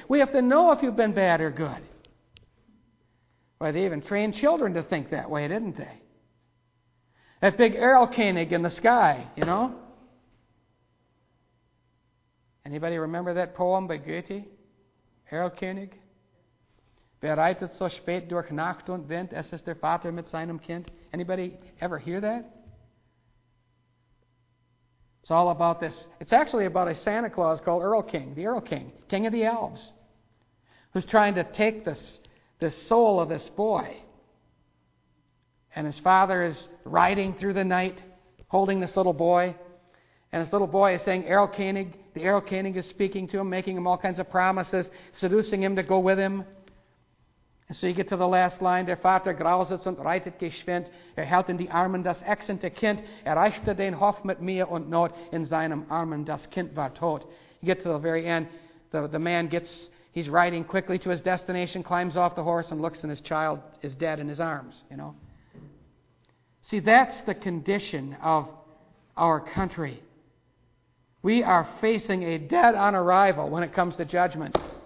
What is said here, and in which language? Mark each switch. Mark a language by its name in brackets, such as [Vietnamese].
[English] We have to know if you've been bad or good. Why, they even trained children to think that way, didn't they? That big arrow Koenig in the sky, you know? Anybody remember that poem by Goethe? Arrow Koenig? [German] Bereitet so spät durch Nacht und Wind, es ist der Vater mit seinem Kind. [English] Anybody ever hear that? It's all about this. It's actually about a Santa Claus called Earl King, the Earl King, King of the Elves, who's trying to take this soul of this boy. And his father is riding through the night, holding this little boy. And this little boy is saying, Errol Koenig, the Errol Koenig is speaking to him, making him all kinds of promises, seducing him to go with him. And so you get to the last line, [German] der Vater grauset und reitet geschwind, hält in die Armen das ächzende Kind, erreichte den Hof mit Mühe und Not, in seinem Armen das Kind war tot. [English] You get to the very end, the man gets, he's riding quickly to his destination, climbs off the horse and looks and his child is dead in his arms, you know. See, that's the condition of our country. We are facing a dead on arrival when it comes to judgment.